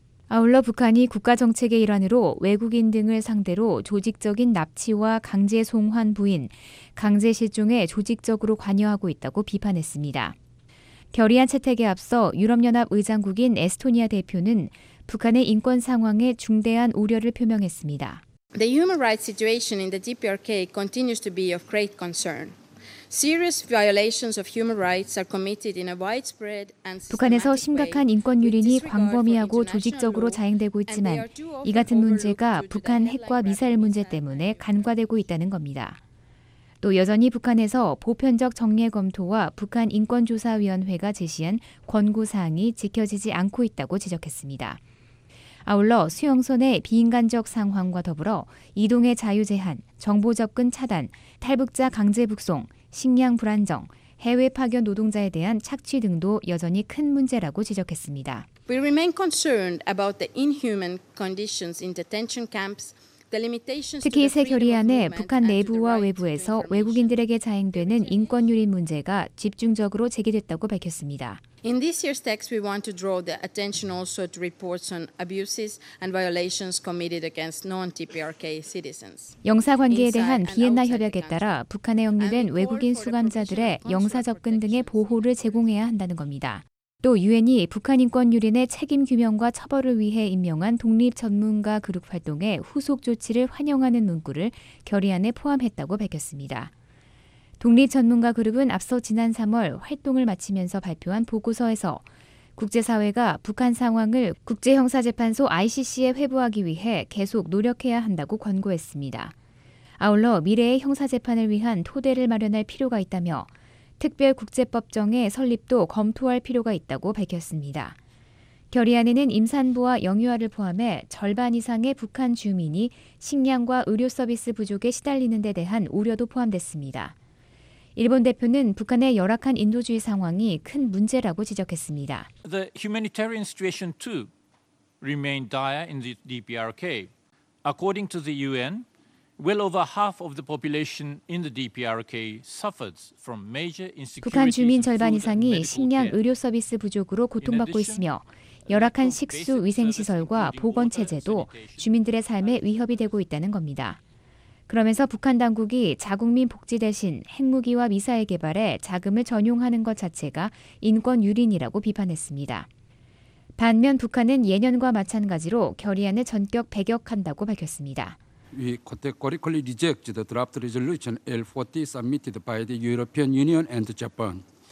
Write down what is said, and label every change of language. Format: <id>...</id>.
<ko>아울러 북한이 국가정책의 일환으로 외국인 등을 상대로 조직적인 납치와 강제 송환 부인, 강제 실종에 조직적으로 관여하고 있다고 비판했습니다. 결의안 채택에 앞서 유럽연합 의장국인 에스토니아 대표는 북한의 인권 상황에 중대한 우려를 표명했습니다.</ko> <en>The human rights situation in the DPRK continues to be of great concern. Serious violations of human rights are committed in a widespread and</en> <ko>북한에서 심각한 인권 유린이 광범위하고 조직적으로 자행되고 있지만 이 같은 문제가 북한 핵과 미사일 문제 때문에 간과되고 있다는 겁니다. 또 여전히 북한에서 보편적 정례 검토와 북한 인권조사위원회가 제시한 권고사항이 지켜지지 않고 있다고 지적했습니다. 아울러 수용소의 비인간적 상황과 더불어 이동의 자유 제한, 정보 접근 차단, 탈북자 강제 북송, 식량 불안정, 해외 파견 노동자에 대한 착취 등도 여전히 큰 문제라고 지적했습니다.</ko> <en>We remain concerned about the inhuman conditions in detention camps.</en> <ko>특히 새 결의안에 북한 내부와 외부에서 외국인들에게 자행되는 인권 유린 문제가 집중적으로 제기됐다고 밝혔습니다.</ko> <en>In this year's text, we want to draw the attention also to reports on abuses and violations committed against non-TPRK citizens.</en> <ko>영사 관계에 대한 비엔나 협약에 따라 북한에 억류된 외국인 수감자들의 영사 접근 등의 보호를 제공해야 한다는 겁니다. 또 유엔이 북한 인권 유린의 책임 규명과 처벌을 위해 임명한 독립 전문가 그룹 활동의 후속 조치를 환영하는 문구를 결의안에 포함했다고 밝혔습니다. 독립 전문가 그룹은 앞서 지난 3월 활동을 마치면서 발표한 보고서에서 국제사회가 북한 상황을 국제형사재판소 ICC에 회부하기 위해 계속 노력해야 한다고 권고했습니다. 아울러 미래의 형사재판을 위한 토대를 마련할 필요가 있다며 특별국제법정의 설립도 검토할 필요가 있다고 밝혔습니다. 결의안에는 임산부와 영유아를 포함해 절반 이상의 북한 주민이 식량과 의료 서비스 부족에 시달리는 데 대한 우려도 포함됐습니다. 일본 대표는 북한의 열악한 인도주의 상황이 큰 문제라고 지적했습니다.</ko> <en>The humanitarian situation too remained dire in the DPRK. According to the UN, well over half of the population in the DPRK suffered from major insecurity.</en> <ko>북한 주민 절반 이상이 식량, 의료 서비스 부족으로 고통받고 있으며 열악한 식수 위생 시설과 보건 체제도 주민들의 삶에 위협이 되고 있다는 겁니다. 그러면서 북한 당국이 자국민 복지 대신 핵무기와 미사일 개발에 자금을 전용하는 것 자체가 인권 유린이라고 비판했습니다. 반면 북한은 예년과 마찬가지로 결의안을 전격 배격한다고 밝혔습니다.</ko> <en>We categorically reject the draft resolution L40 submitted by the European Union and Japan.</en>